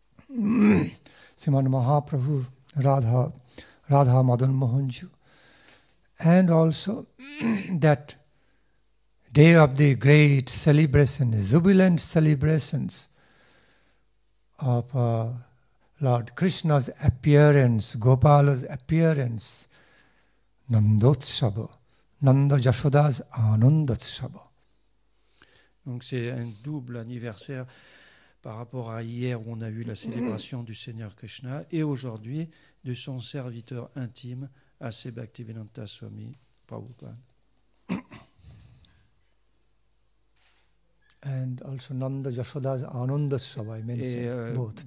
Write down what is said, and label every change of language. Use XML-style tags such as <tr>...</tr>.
<en>Sriman Mahaprabhu, Radha Madan Mohanji, and also that day of the great celebration, jubilant celebrations of Lord Krishna's appearance, Gopala's appearance, Nandotsava, Nanda Yashoda's Anandotsava.</en> <fr>Donc c'est un double anniversaire par rapport à hier où on a eu la célébration du Seigneur Krishna et aujourd'hui de son serviteur intime Asse Bhaktivinanta Swami Prabhupada.</fr> <en>And also Nanda Yashoda's Anandotsava, I mentioned both.</en>